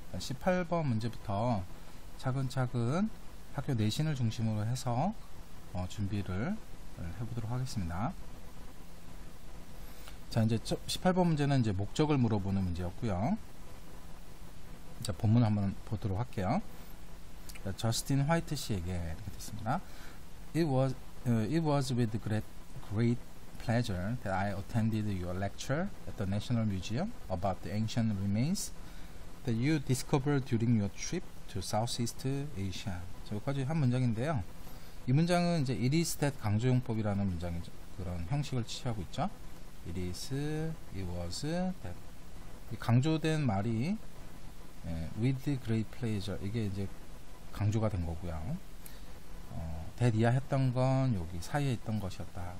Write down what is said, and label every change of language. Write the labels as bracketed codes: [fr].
[ko] 18번 문제부터 차근차근 학교 내신을 중심으로 해서 준비를 해보도록 하겠습니다. 자, 이제 18번 문제는 이제 목적을 물어보는 문제였고요. 자, 본문 한번 보도록 할게요. 저스틴 화이트 씨에게 이렇게 됐습니다. [en] It was with great pleasure that I attended your lecture at the National Museum about the ancient remains that you discovered during your trip to Southeast Asia. [ko] 여기까지 한 문장인데요. 이 문장은 이제 [en] It is that [ko] 강조용법이라는 문장이 그런 형식을 취하고 있죠. [en] It is, it was, that. [ko] 이 강조된 말이 [en] with great pleasure. [ko] 이게 이제 강조가 된 거고요. that 이하 했던 건 여기 사이에 있던 것이었다.